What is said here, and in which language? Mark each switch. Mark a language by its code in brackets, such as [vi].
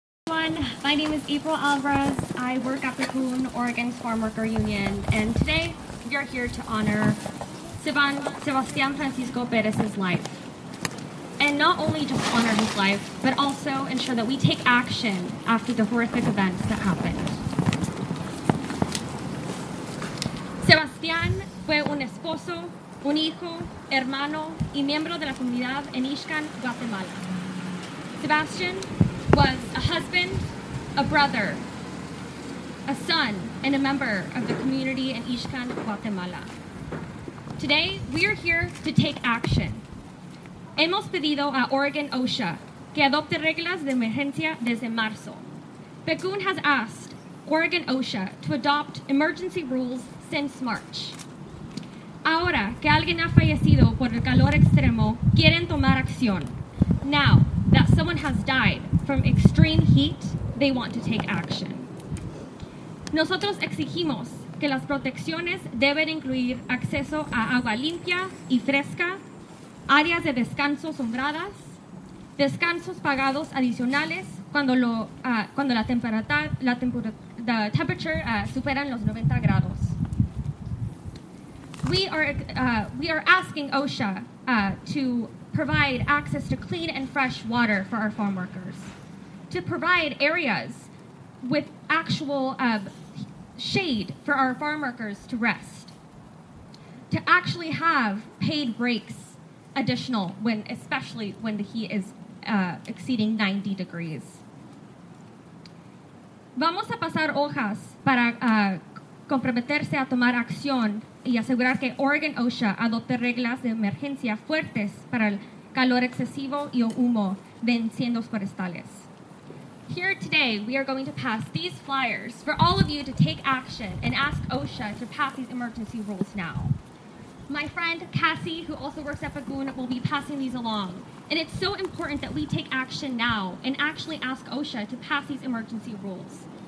[en] My name is April Alvarez. I work at Pikun, Oregon's Farm Worker Union, and today we are here to honor Sebastian Francisco Perez's life. And not only just honor his life, but also ensure that we take action after the horrific events that happened. [es] Sebastian fue un esposo, un hijo, hermano, y miembro de la comunidad en Ixcan, Guatemala. [en] Sebastian was a husband, a brother, a son, and a member of the community in Ixcan, Guatemala. Today, we are here to take action. [es] Hemos pedido a Oregon OSHA que adopte reglas de emergencia desde marzo. [en] Pikun has asked Oregon OSHA to adopt emergency rules since March. [es] Ahora que alguien ha fallecido por el calor extremo, quieren tomar acción. [en] Now that someone has died from extreme heat, they want to take action. [es] Nosotros exigimos que las protecciones deben incluir acceso a agua limpia y fresca, áreas de descanso sombradas, descansos pagados adicionales cuando la temperatura supera los 90 grados. [en] We are asking OSHA to provide access to clean and fresh water for our farm workers, to provide areas with actual shade for our farm workers to rest, to actually have paid breaks additional, especially when the heat is exceeding 90 degrees. [es] Vamos a pasar hojas para comprometerse a tomar acción y asegurar que Oregon OSHA adopte reglas de emergencia fuertes para el calor excesivo y el humo de incendios forestales. [en] Here today, we are going to pass these flyers for all of you to take action and ask OSHA to pass these emergency rules now. My friend Cassie, who also works at Pikun, will be passing these along. And it's so important that we take action now and actually ask OSHA to pass these emergency rules.